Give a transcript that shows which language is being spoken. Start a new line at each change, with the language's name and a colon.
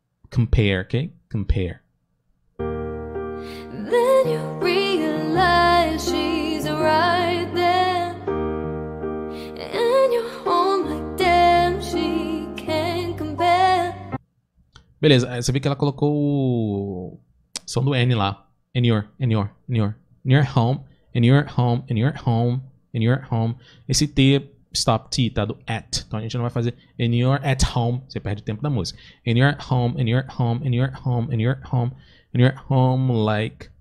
English: Compare, ok? Compare. Then you realize she's right there. And your home, like, damn, she can't compare.
Portuguese: Beleza, você vê que ela colocou o som do N lá.
English: And your, and your, and your. And your home, and your home, and your home. In your home.
Portuguese: Esse T, stop T, tá do at. Então a gente não vai fazer
English: in your at home.
Portuguese: Você perde o tempo da música.
English: In your home, in your home, in your home, in your home, in your home, like.